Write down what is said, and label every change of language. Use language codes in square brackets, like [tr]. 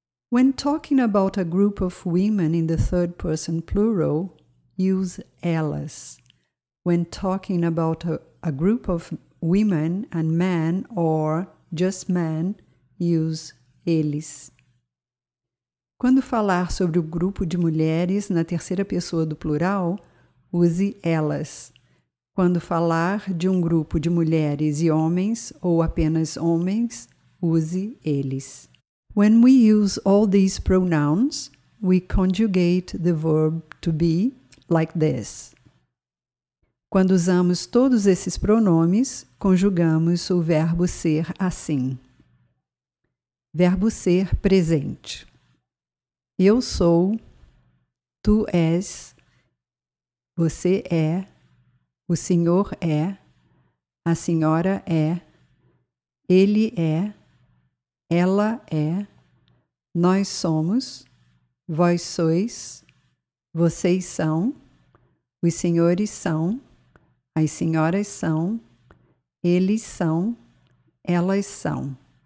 [en] When talking about a group of women in the third person plural, use elas. When talking about a group of women and men or just men, use eles. [pt] Quando falar sobre o grupo de mulheres na terceira pessoa do plural, use elas. Quando falar de um grupo de mulheres e homens ou apenas homens, use eles. [en] When we use all these pronouns, we conjugate the verb to be like this. [pt] Quando usamos todos esses pronomes, conjugamos o verbo ser assim. Verbo ser presente. Eu sou, tu és, você é, o senhor é, a senhora é, ele é, ela é, nós somos, vós sois, vocês são, os senhores são, as senhoras são, eles são, elas são.